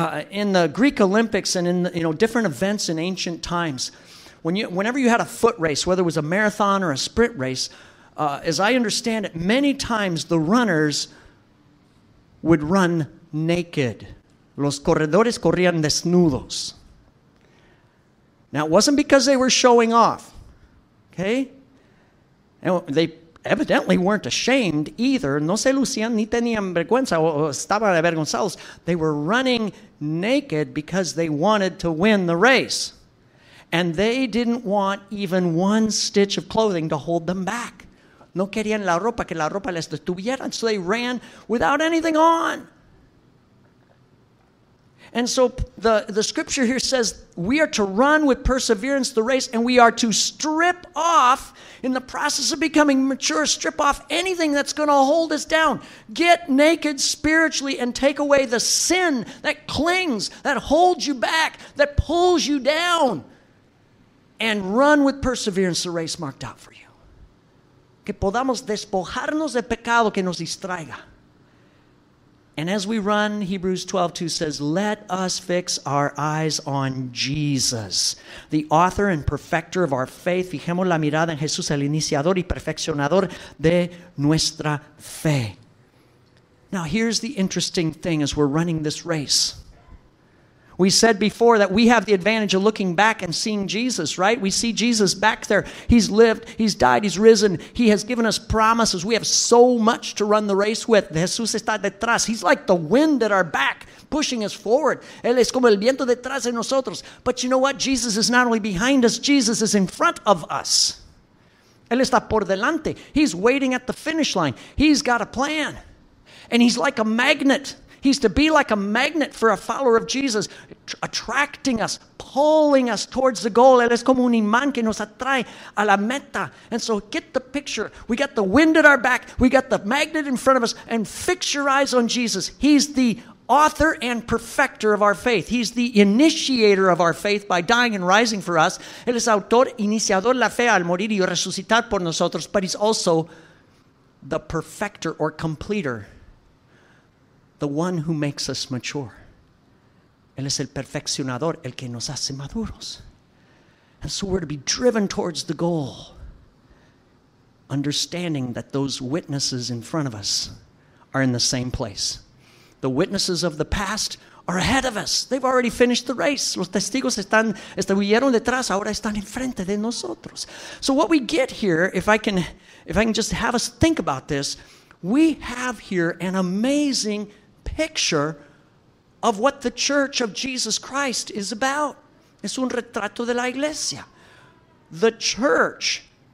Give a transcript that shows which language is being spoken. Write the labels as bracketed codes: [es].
[en] In the Greek Olympics and in the, you know, different events in ancient times, whenever you had a foot race, whether it was a marathon or a sprint race, as I understand it, many times the runners would run naked. [es] Los corredores corrían desnudos. [en] Now, it wasn't because they were showing off, okay? And they evidently weren't ashamed either. [es] No se lucían ni tenían vergüenza o estaban avergonzados. [en] They were running naked because they wanted to win the race. And they didn't want even one stitch of clothing to hold them back. [es] No querían la ropa, que la ropa les detuviera, [en] so they ran without anything on. And so the scripture here says we are to run with perseverance the race, and we are to strip off, in the process of becoming mature, strip off anything that's going to hold us down. Get naked spiritually and take away the sin that clings, that holds you back, that pulls you down, and run with perseverance the race marked out for you. [es] Que podamos despojarnos del pecado que nos distraiga. [en] And as we run, Hebrews 12:2 says, let us fix our eyes on Jesus, the author and perfecter of our faith. [es] Fijemos la mirada en Jesús, el iniciador y perfeccionador de nuestra fe. [en] Now here's the interesting thing as we're running this race. We said before that we have the advantage of looking back and seeing Jesus, right? We see Jesus back there. He's lived, he's died, he's risen. He has given us promises. We have so much to run the race with. [es] Jesús está detrás. [en] He's like the wind at our back, pushing us forward. [es] Él es como el viento detrás de nosotros. [en] But you know what? Jesus is not only behind us. Jesus is in front of us. [es] Él está por delante. [en] He's waiting at the finish line. He's got a plan. And he's like a magnet. He's to be like a magnet for a follower of Jesus, attracting us, pulling us towards the goal. [es] Él es como un imán que nos atrae a la meta. [en] And so get the picture. We got the wind at our back. We got the magnet in front of us. And fix your eyes on Jesus. He's the author and perfecter of our faith. He's the initiator of our faith by dying and rising for us. [es] Él es autor, iniciador la fe al morir y resucitar por nosotros. [en] But he's also the perfecter or completer, the one who makes us mature. [es] Él es el perfeccionador, el que nos hace maduros. [en] And so we're to be driven towards the goal, understanding that those witnesses in front of us are in the same place. The witnesses of the past are ahead of us. They've already finished the race. [es] Los testigos están, estuvieron detrás, ahora están enfrente de nosotros. [en] So what we get here, if I can just have us think about this, we have here an amazing picture of what the Church of Jesus Christ is about. [es] Es un retrato de la iglesia. [en] The church